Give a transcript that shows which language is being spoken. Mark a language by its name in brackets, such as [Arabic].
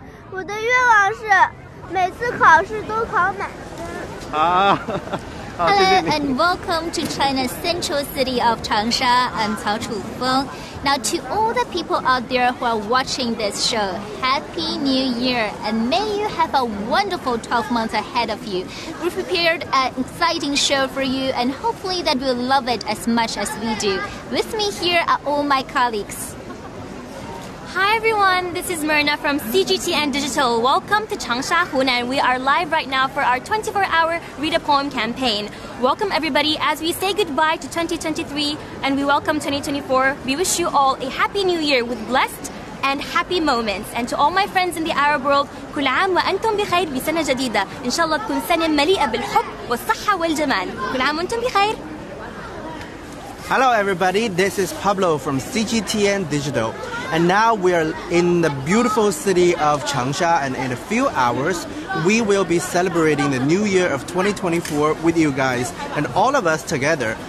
[Chinese] 我的愿望是每次考试都考满分。啊 [English] ！Hello and welcome to China's central city of Changsha. I'm Cao Chufeng. Now, to all the people out there who are watching this show, Happy New Year, and may you have a wonderful 12 months ahead of you. We've prepared an exciting show for you, and hopefully that you'll love it as much as we do. With me here are all my colleagues. Hi everyone, this is Myrna from CGTN Digital. Welcome to Changsha, Hunan. We are live right now for our 24-hour Read a Poem campaign. Welcome everybody as we say goodbye to 2023 and we welcome 2024. We wish you all a happy new year with blessed and happy moments. And to all my friends in the Arab world, [Arabic] كل عام وأنتم بخير بسنة جديدة. إن شاء الله تكون سنة مليئة بالحب والصحة والجمال. كل عام وأنتم بخير. [English] Hello everybody, this is Pablo from CGTN Digital. And now we are in the beautiful city of Changsha, and in a few hours, we will be celebrating the new year of 2024 with you guys and all of us together.